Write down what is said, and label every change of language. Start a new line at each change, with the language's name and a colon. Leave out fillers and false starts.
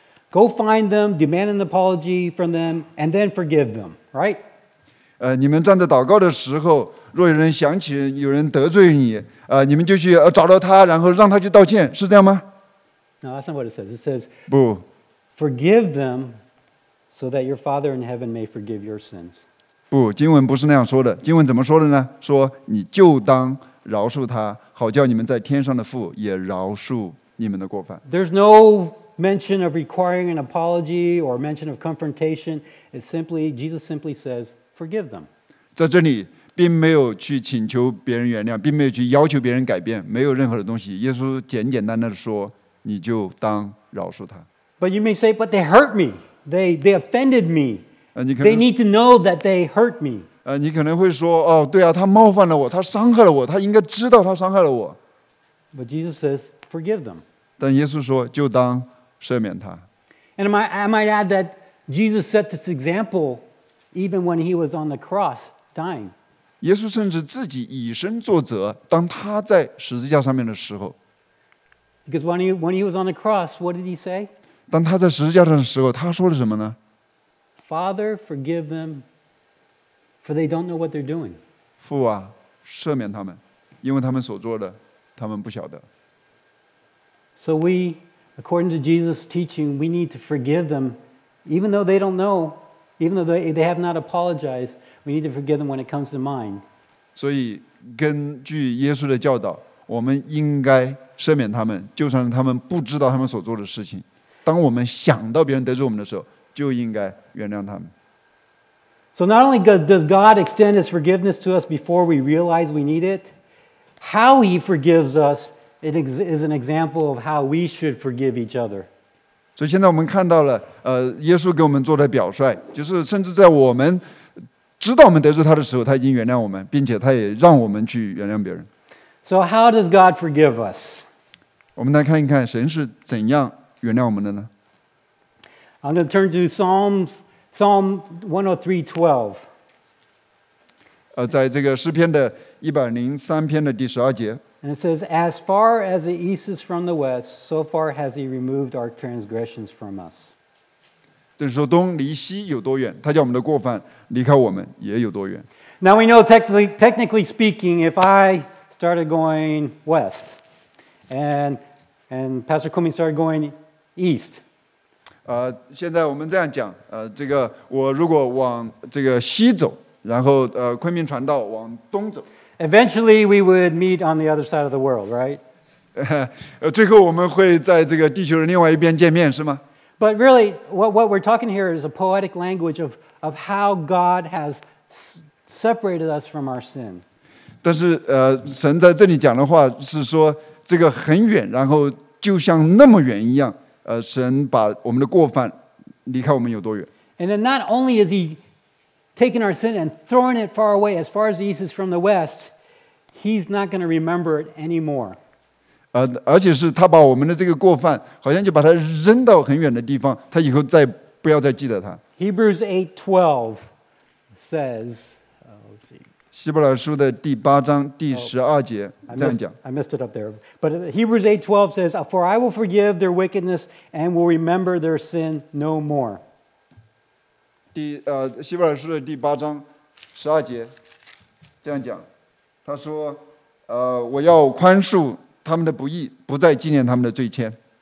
English: Go find them, demand an apology from them, and then forgive them, right?
Chinese: 你们站在祷告的时候，若有人想起有人得罪你，你们就去找到他，然后让他去道歉，是这样吗？
English: No, that's not what it says. It says,
Chinese: 不
English: forgive them so that your Father in heaven may forgive your sins.
Chinese: 不，经文不是那样说的。经文怎么说的呢？说你就当饶恕他，好叫你们在天上的父也饶恕你们的过犯。
English: There's no... mention of requiring an apology or mention of confrontation is simply Jesus simply says forgive them.
Chinese: 在这里并没有去请求别人原谅，并没有去要求别人改变，没有任何的东西。耶稣简简单单的说，你就当饶恕他。
English: But you may say, but they hurt me. They offended me. They need to know that they hurt me.
Chinese: 你可能会说，哦，对啊，他冒犯了我，他伤害了我，他应该知道他伤害了我。
English: But Jesus says forgive them.
Chinese: 但耶稣说，就当赦免他。
English: And I might add that Jesus set this example even when he was on the cross dying.
Chinese: 耶稣甚至自己以身作则，当他在十字架上面的时候。
English: Because when he was on the cross, what did he say?
Chinese: 当他在十字架上的时候，他说了什么呢？
English: Father, forgive them, for they don't know what they're doing.
Chinese: 父啊，赦免他们，因为他们所做的，他们不晓得。
English: So we. According to Jesus' teaching, we need to forgive them, even though they don't know, Even though they have not apologized, we need to forgive them when it comes to mind.
Chinese: 所以根据耶稣的教导，我们应该赦免他们，就算他们不知道他们所做的事情。当我们想到别人得罪我们的时候，就应该原谅他们。
English: So not only does God extend His forgiveness to us before we realize we need it, how He forgives us is an example of how we should forgive each other.
Chinese: 所以现在我们看到了，耶稣给我们做的表率，就是甚至在我们知道我们得罪他的时候，他已经原谅我们，并且他也让我们去原谅别人。
English: So how does God forgive us?
Chinese: 我们来看一看神是怎样原谅我们的呢？
English: I'm going to turn to Psalm 103:12.
Chinese: 在这个诗篇的103篇的第十二节。
English: And it says, As far as the east is from the west, so far has he removed our transgressions from us.
Chinese: 就是说东离西有多远，他叫我们的过犯离开我们也有多远。
English: Now we know technically speaking, if I started going west, and Pastor Kumi started going east,
Chinese: 现在我们这样讲，这个我如果往这个西走，然后昆明传道往东走。
English: Eventually, we would meet on the other side of the world, right?
Chinese: 最后我们会在这个地球的另外一边见面，是吗？
English: But really, what we're talking here is a poetic language of how God has separated us from our sin.
Chinese: 但是神在这里讲的话是说这个很远，然后就像那么远一样。神把我们的过犯离开我们有多远。
English: And then not only is he taking our sin and throwing it far away as far as the east is from the west, he's not going to remember it anymore.
Chinese: 而且是他把我们的这个过犯好像就把它扔到很远的地方，他以后再不要再记得它。
English: Hebrews 8:12 says,
Chinese: 希伯来书的第八章第十二节这样讲。
English: I missed it up there. But Hebrews 8:12 says, For I will forgive their wickedness and will remember their sin no more.
Chinese: 希伯来书的第八章十二节这样讲。他说，我要宽恕他们的不义，不再纪念他们的罪愆。